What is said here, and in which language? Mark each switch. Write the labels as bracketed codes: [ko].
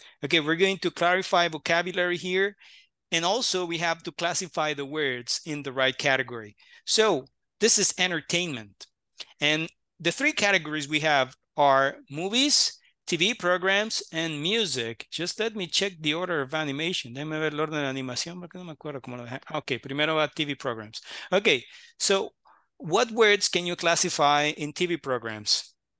[en] Okay, we're going to clarify vocabulary here. And also we have to classify the words in the right category. So this is entertainment. And the three categories we have are movies, TV programs, and music. Just let me check the order of animation. [es] Déjame ver el orden de animación porque no me acuerdo cómo lo dejé. Okay, primero va TV programs. [en] Okay, so what words can you classify in TV programs?